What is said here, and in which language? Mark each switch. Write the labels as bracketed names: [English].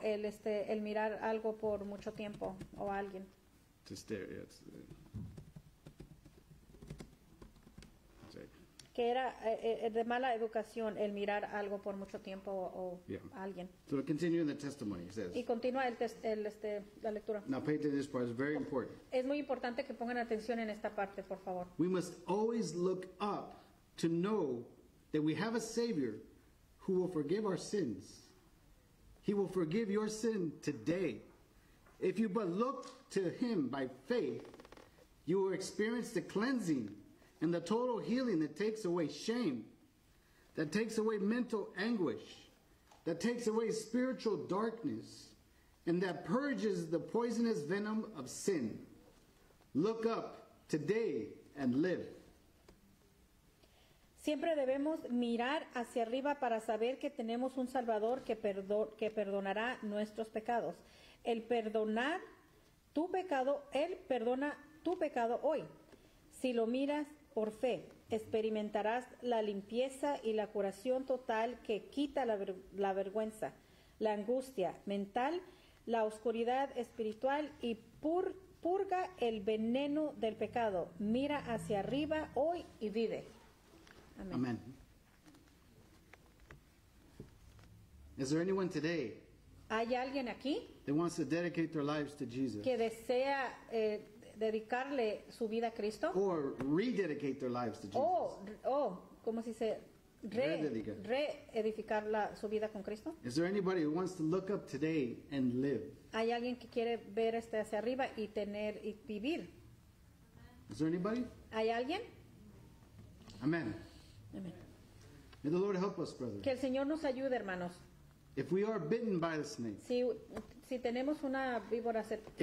[Spanish] el mirar algo por mucho tiempo o a alguien. [English] To stare, yeah, [Spanish] que era de mala educación el mirar algo por mucho tiempo o a alguien. [English] So we continue in the testimony, it says. [Spanish] Y continúa la lectura. [English] Now pay attention to this part, it's very important. [Spanish] Es muy importante que pongan atención en esta parte, por favor. [English] We must always look up to know that we have a Savior who will forgive our sins. He will forgive your sin today. If you but look to Him by faith, you will experience the cleansing and the total healing that takes away shame, that takes away mental anguish, that takes away spiritual darkness, and that purges the poisonous venom of sin. Look up today and live. [Spanish] Siempre debemos mirar hacia arriba para saber que tenemos un Salvador que perdonará nuestros pecados. Él perdona tu pecado hoy. Si lo miras por fe, experimentarás la limpieza y la curación total que quita la vergüenza, la angustia mental, la oscuridad espiritual y purga el veneno del pecado. Mira hacia arriba hoy y vive. [English] Amen. Amen. Is there anyone today? [Spanish] ¿Hay alguien aquí? [English] That wants to dedicate their lives to Jesus. [Spanish] Que desea dedicarle su vida a Cristo. [English] Or rededicate their lives to Jesus. [Spanish] Oh, ¿cómo se dice? Reedificar su vida con Cristo. [English] Is there anybody who wants to look up today and live? [Spanish] ¿Hay alguien que quiere ver hacia arriba y tener y vivir? [English] Is there anybody? [Spanish] ¿Hay alguien? [English] Amen. Amen. May the Lord help us, brother. [Spanish] Que el Señor nos ayude, hermanos. [English] If we are bitten by a snake. [Spanish] Si tenemos una víbora serpiente.